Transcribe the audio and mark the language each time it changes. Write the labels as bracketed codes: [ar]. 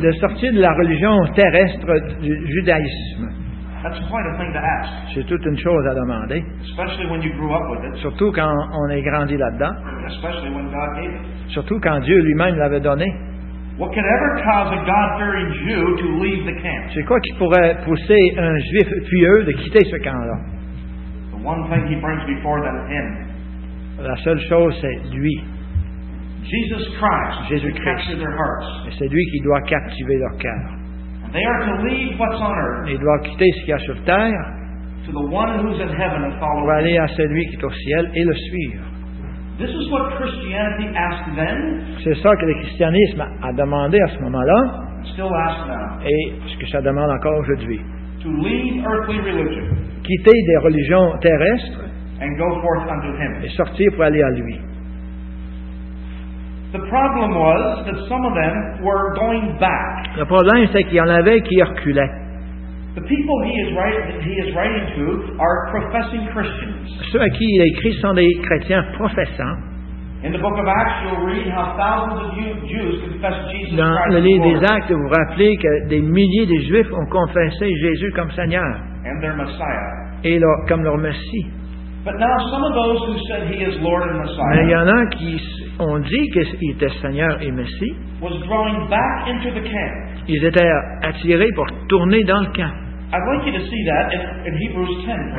[fr] de sortir de la religion terrestre du judaïsme. [en] That's quite a thing to ask. [fr] C'est toute une chose à demander. [en] Especially when you grew up with it. [fr] Surtout quand on est grandi là-dedans. [en] Especially when God gave it. [fr] Surtout quand Dieu lui-même l'avait donné. [en] What could ever cause a God-fearing Jew to leave the camp? [fr] C'est quoi qui pourrait pousser un Juif pieux de quitter ce camp-là? [en] The one thing he brings before them, him. [fr] La seule chose, c'est lui. [en] Jesus Christ. [fr] Jésus Christ. [en] Captures their hearts. [fr] Et c'est lui qui doit captiver leur cœur. [en] They are to leave what's on earth. [fr] Ils doivent quitter ce qu'il y a sur terre. [en] To the one who's in heaven and follow him. [fr] Pour aller à celui qui est au ciel et le suivre. [en] This is what Christianity asked then. [fr] C'est ça que le christianisme a demandé à ce moment-là. [en] Still ask now. [fr] Et ce que ça demande encore aujourd'hui. [en] To leave earthly religion. [fr] Quitter des religions terrestres. [en] And go forth unto him. [fr] Et sortir pour aller à lui. [en] The problem was that some of them were going back. [fr] Le problème c'est qu'il y en avait qui reculaient. [en] The people he is writing to are professing Christians. [fr] Ceux à qui il écrit sont des chrétiens professants. [en] In the book of Acts, you'll read how thousands of Jews confessed Jesus Christ. [fr] Dans le livre des Actes, vous rappelez que des milliers de Juifs ont confessé Jésus comme Seigneur. [en] And their Messiah. [fr] Et leur, comme leur Messie. [en] But now some of those who said he is Lord and Messiah. [fr] Mais il y en a qui ont dit qu'il était Seigneur et Messie. [en] Was drawing back into the camp. [fr] Ils étaient attirés pour tourner dans le camp. [en] I'd like you to see that in Hebrews 10.